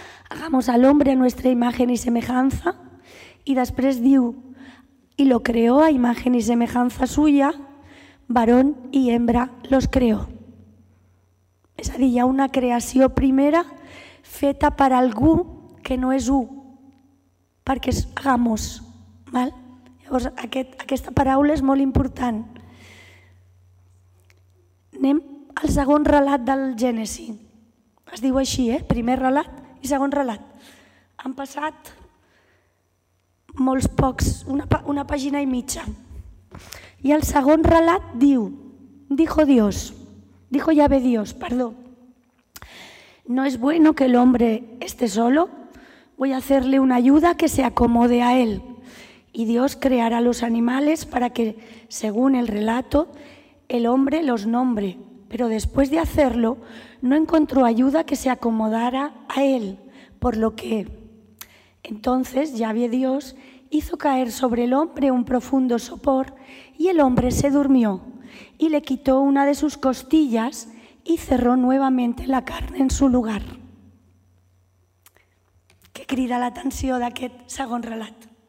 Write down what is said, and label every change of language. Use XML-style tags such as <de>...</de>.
<es>Hagamos al hombre a nuestra imagen y semejanza.</es> <ca>I després diu,</ca> <es>y lo creó a imagen y semejanza suya, varón y hembra los creó.</es> <ca>És a dir, hi ha una creació primera feta per algú que no és u, perquè és hagamos. Val? Llavors, aquesta paraula és molt important. Anem al segon relat del Gènesi. Es diu així, eh? Primer relat. I segon relat, han passat molts pocs, una pàgina i mitja. I el segon relat diu,</ca> <es>dijo Yahvé Dios, no es bueno que el hombre esté solo, voy a hacerle una ayuda que se acomode a él. Y Dios creará los animales para que, según el relato, el hombre los nombre. Pero después de hacerlo, no encontró ayuda que se acomodara a él. Por lo que entonces Yahvé Dios hizo caer sobre el hombre un profundo sopor y el hombre se durmió y le quitó una de sus costillas y cerró nuevamente la carne en su lugar.</es> <ca>Que crida l'atenció d'aquest segon relat.</ca>